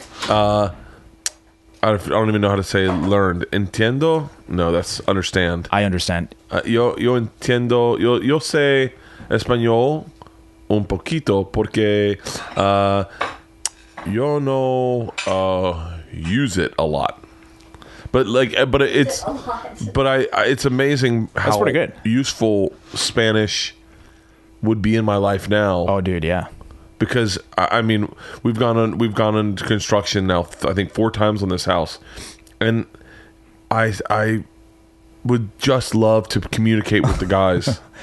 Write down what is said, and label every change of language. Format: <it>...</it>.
<en>I don't even know how to say learned. Entiendo? No, that's understand. I understand.</en> <es>Yo entiendo. Yo sé español un poquito porque yo no</es> <en>use it a lot. It's amazing how that's pretty good. Useful Spanish would be in my life now. Oh, dude, yeah. Because I mean, we've gone on construction now. I think 4 times on this house, and I would just love to communicate with the guys.</en>